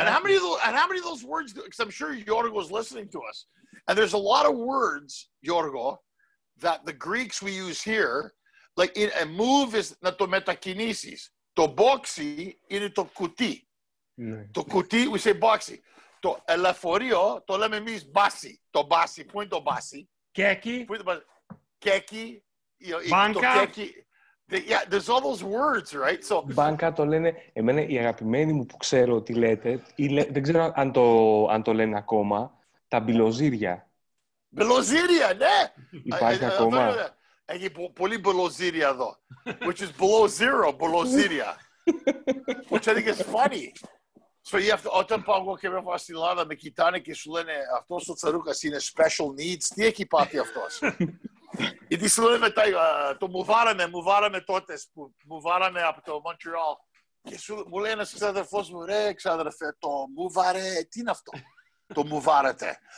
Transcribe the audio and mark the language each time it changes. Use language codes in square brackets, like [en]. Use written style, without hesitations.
[en] And how many of those words, because I'm sure Yorgo is listening to us, and there's a lot of words, Yorgo, that the Greeks we use here, like in a move is [el] να το μετακινήσεις. Το boxy είναι το κουτί. Το κουτί, [en] we say boxy. [el] Το ελεφορείο, το λέμε εμείς basi. Το basi, πού είναι το basi? Κέκι. Κέκι. Μπάνκα. [en] Yeah, there's all those words, right? So. [el] Μπάνκα το λένε. Εμένα η αγαπημένη μου που ξέρω τι λέτε. Δεν ξέρω αν το λένε ακόμα. Τα μπιλοζίρια. Μπιλοζίρια, ναι. Υπάρχει ακόμα. Έχει πολύ μπιλοζίρια εδώ. [en] Which is below zero, μπιλοζίρια. Which I think is funny. So you have to. [el] Όταν πάω εγώ και πάω στην Ελλάδα, με κοιτάνε και σου λένε αυτός ο Τσαρούχας είναι special needs. Τι έχει πάθει αυτός? Γιατί σου λένε μετά, το μουβάραμε τότε, που μουβάραμε από το Montreal. Και σου, μου λέει ένας ξαδερφός μου, ρε ξαδερφέ, το μουβάρε, τι είναι αυτό, το μουβάρετε.